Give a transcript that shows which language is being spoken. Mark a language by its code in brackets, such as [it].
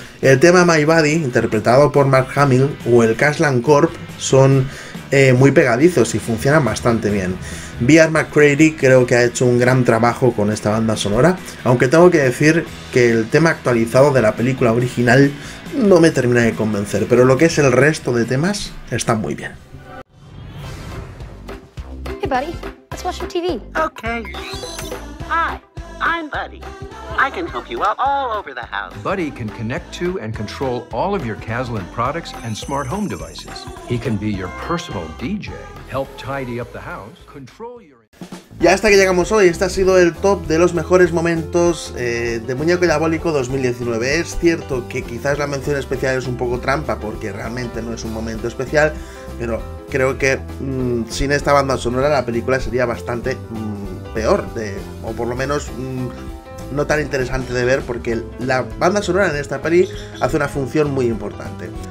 [es] El tema My Body, interpretado por Mark Hamill, o el Cashland Corp, son muy pegadizos y funcionan bastante bien. B.R. McCready creo que ha hecho un gran trabajo con esta banda sonora, aunque tengo que decir que el tema actualizado de la película original no me termina de convencer, pero lo que es el resto de temas está muy bien. [en] Hey buddy, let's watch some TV. Okay. Hi, I'm Buddy. I can help you out all over the house. Buddy can connect to and control all of your Caslin products and smart home devices. He can be your personal DJ. Help tidy up the house. Control your... [es] Y hasta que llegamos hoy, este ha sido el top de los mejores momentos de Muñeco Diabólico 2019. Es cierto que quizás la mención especial es un poco trampa porque realmente no es un momento especial, pero creo que sin esta banda sonora la película sería bastante peor, o por lo menos no tan interesante de ver, porque la banda sonora en esta peli hace una función muy importante.